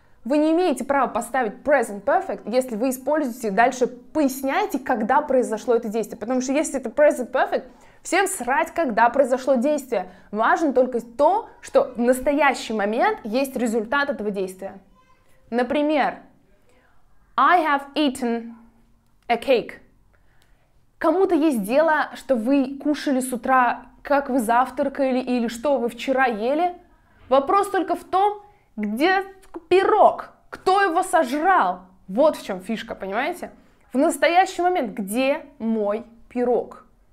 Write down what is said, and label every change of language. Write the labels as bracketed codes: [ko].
[ru] Вы не имеете права поставить present perfect, если вы используете дальше, поясняете, когда произошло это действие. Потому что если это present perfect, всем срать, когда произошло действие. Важно только то, что в настоящий момент есть результат этого действия. Например, [en] I have eaten a cake. [ru] Кому-то есть дело, что вы кушали с утра, как вы завтракали или что вы вчера ели. Вопрос только в том, где пирог, кто его сожрал. Вот в чем фишка, понимаете? В настоящий момент, где мой пирог?